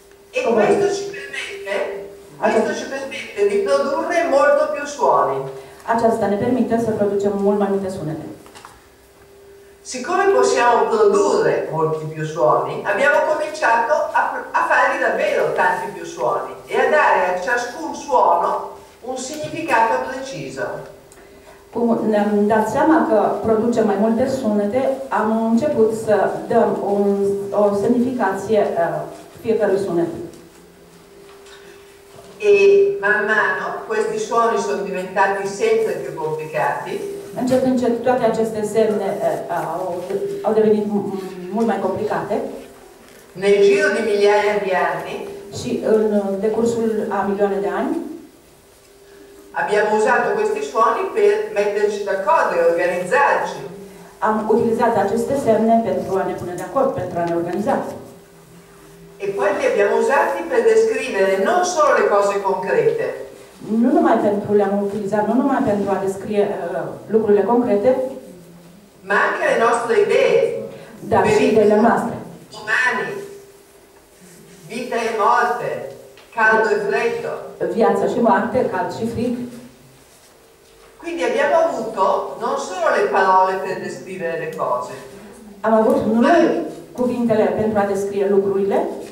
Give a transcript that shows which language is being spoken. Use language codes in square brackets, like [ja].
[it] E questo ci permette di produrre molto più suoni. [ro] Aceasta ne permite să producem mult mai multe sunete. [it] Siccome possiamo produrre molti più suoni, abbiamo cominciato a fare davvero tanti più suoni e a dare a ciascun suono un significato preciso. [ro] Cum ne-am dat seama că produce mai multe sunete, am început să dăm o semnificație fiecărui sunet. [it] E man mano questi suoni sono diventati sempre più complicati. [ro] Încet, încet, toate aceste semne au devenit mult mai complicate. [it] Nel giro di migliaia di anni. [ro] Și în decursul a milioane de ani. [it] Abbiamo usato questi suoni per metterci d'accordo e organizzarci. [ro] Am utilizzato aceste semne pentru a ne pune [it] d'accordo, [ro] pentru a ne [it] organizzarci. E poi li abbiamo usati per descrivere non solo le cose concrete. [ro] Nu numai pentru le-am utilizat, nu numai pentru a descrie lucrurile concrete, [it] ma anche le nostre idee, [ro] dar și ideile noastre. [it] Umani, vita e morte, caldo e freddo. [ro] Viața și moarte, cald și frig. [it] Quindi abbiamo avuto non solo le parole per descrivere le cose. [ro] Am avut numai cuvintele pentru a descrie lucrurile,